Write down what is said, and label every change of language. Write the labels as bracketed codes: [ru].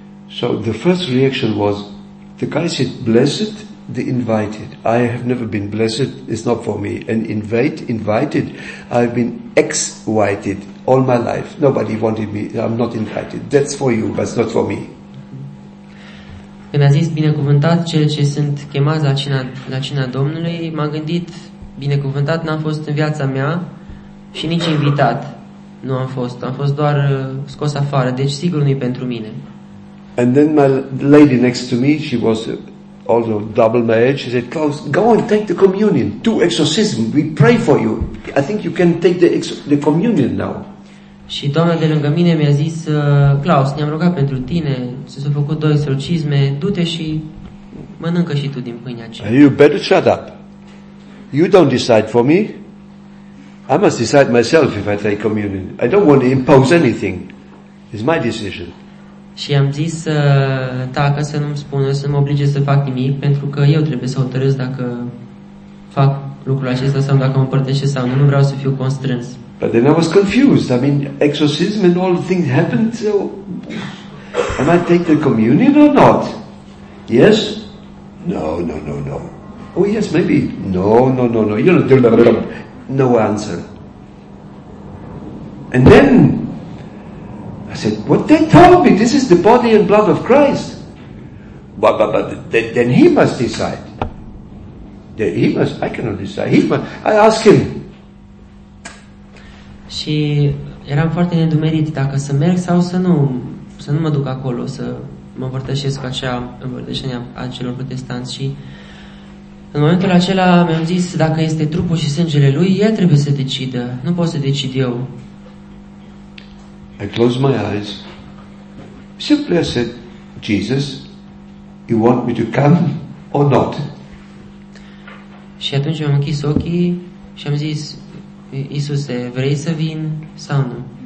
[en] So the first reaction was, the guy said, "Blessed the invited. I have never been blessed. It's not for me. And invited. I've been ex-invited all my life. Nobody wanted me. I'm not invited. That's for you, but it's not for me." [ro] Când a zis binecuvântat cel ce sunt chemat la cina Domnului, m-am gândit, binecuvântat n-am fost în viața mea și nici invitat nu am fost. Am fost doar scos afară, deci sigur nu e pentru mine. [en] And then the lady next to me, she was also double my age, she said, "Klaus, go and take the communion, do exorcism, we pray for you. I think you can take the communion now." [ro] Și doamna de lângă mine mi-a zis, "Klaus, ne-am rugat pentru tine, ți s-au făcut 2 exorcisme, du-te și mănâncă și tu din pâinea aceea." [en] "You better shut up. You don't decide for me. I must decide myself if I take communion. I don't want to impose anything. It's my decision." [ro] Și am zis, tacă, să nu-mi spună, să nu mă oblige să fac nimic, pentru că eu trebuie să hotărăsc dacă fac lucrul acesta sau dacă mă împărtășesc sau nu. Nu vreau să fiu constrâns. [en] But then I was confused. I mean, exorcism and all things happened, so am I take the communion or not? Yes? No. Oh, yes, maybe. No. You don't do that. No answer. And then I said, "What they told me, this is the body and blood of Christ." But then he must decide. I cannot decide. I ask him. [ro] Și eram foarte nedumerit dacă să merg sau să nu mă duc acolo, să mă împărtășesc cu acea împărtășenie a celor protestanți. Și În momentul acela mi-am zis, dacă este trupul și sângele lui, el trebuie să decidă. Nu pot să decid eu. [en] I closed my eyes. Simply I said, Jesus, you want me to come or not? [ro] Și atunci mi-am închis ochii și am zis, Iisuse, vrei să vin sau nu?